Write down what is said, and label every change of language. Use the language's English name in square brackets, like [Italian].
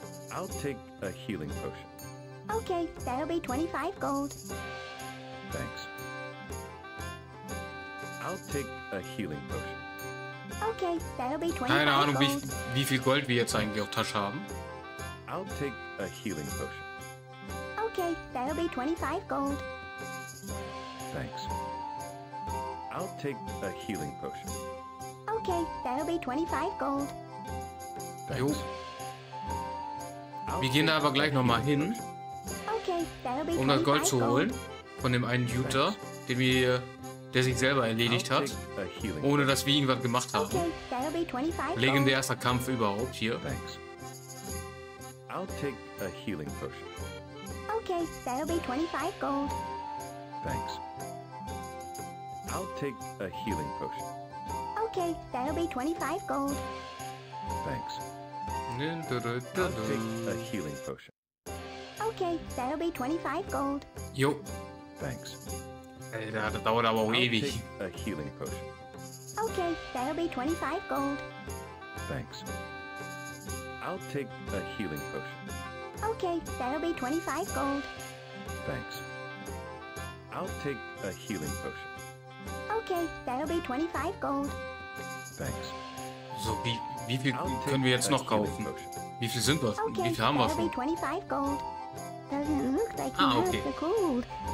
[English] I'll take a healing potion. Okay, that'll be 25 gold. Thanks. I'll take a healing potion. Okay, that'll be 25 [German] Keine Ahnung, wie viel Gold wir jetzt eigentlich auf Tasche haben. [English] I'll take a healing potion. Okay, that'll be 25 gold. Thanks. I'll take a healing potion. Okay, that'll be 25 gold. Thanks. [German] Wir gehen da aber gleich nochmal hin, [English] okay, that'll be [German] um das Gold zu holen. Von dem einen Jutor, der sich selber erledigt hat, ohne dass wir irgendwas gemacht haben. Legendärster Kampf überhaupt hier. [English] I'll take a healing potion. Okay, that'll be 25 gold. Thanks. I'll take a healing potion. Okay, that'll be 25 gold. Thanks. I'll take a healing potion. Okay, that'll be 25 gold. [German] Jo. [English] Thanks. [German] Alter, das dauert aber auch ewig. [English] A healing potion. Okay, that'll be 25 gold. Thanks. I'll take a healing potion. Okay, that'll be 25 gold. Thanks. I'll take a healing potion. Okay, that'll be 25 gold. Thanks. [German] So, wie viel können wir jetzt noch kaufen? Wie viel sind wir? Okay, wie viel haben wir schon? [English] 25 gold. Doesn't look like you have the gold.